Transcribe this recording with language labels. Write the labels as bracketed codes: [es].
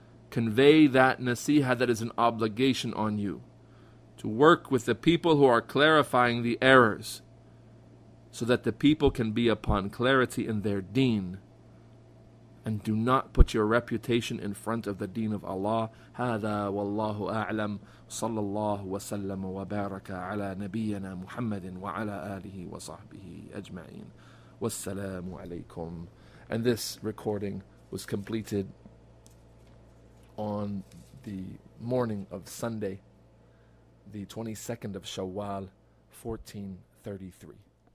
[en] Convey that nasiha that is an obligation on you to work with the people who are clarifying the errors so that the people can be upon clarity in their deen. And do not put your reputation in front of the deen of Allah. [ar] هذا والله أعلم صلى الله وسلم وبارك على نبينا محمد وعلى آله وصحبه أجمعين والسلام عليكم. [en] And this recording was completed on the morning of Sunday, the 22nd of Shawwal, 1433.